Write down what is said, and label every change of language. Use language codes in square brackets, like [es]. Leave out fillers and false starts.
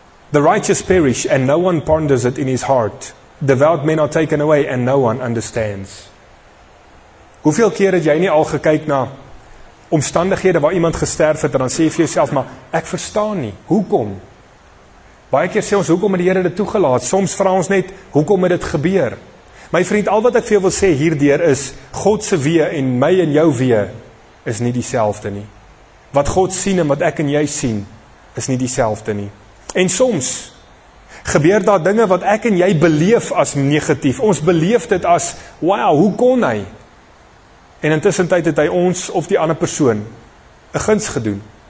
[en] The righteous perish, and no one ponders it in his heart. Devout men are taken away, and no one understands. [af] Hoeveel keer het jy nie al gekyk na omstandighede waar iemand gesterf het, en dan sê jy vir jouself, maar ek verstaan nie, hoekom? Baie keer sê ons, hoekom het die Here dit toegelaat? Soms vra ons net, hoekom het dit gebeur? My vriend, al wat ek vir jou wil sê hierdeur is, God se wee en my en jou wee is nie dieselfde nie. Wat God sien en wat ek en jy sien, is nie dieselfde nie. En soms gebeur daar dinge wat ek en jy beleef as negatief. Ons beleef dit as, wow, hoe kon hy? En intussen tyd het hy ons of die ander persoon 'n guns gedoen.